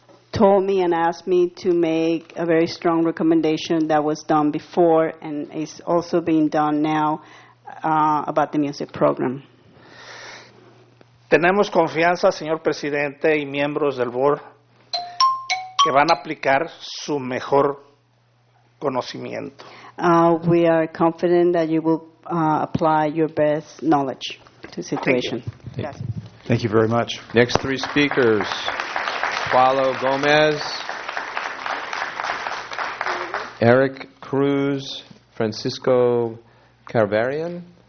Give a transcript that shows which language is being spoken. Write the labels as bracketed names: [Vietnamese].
[English] He told me and asked me to make a very strong recommendation that was done before and is also being done now about the music program. [Spanish] Tenemos confianza, señor presidente y miembros del board, que van a aplicar su mejor conocimiento. [English] We are confident that you will apply your best knowledge to the situation. Thank you very much. Next three speakers, Paulo Gomez, Eric Cruz, Francisco Carvarian.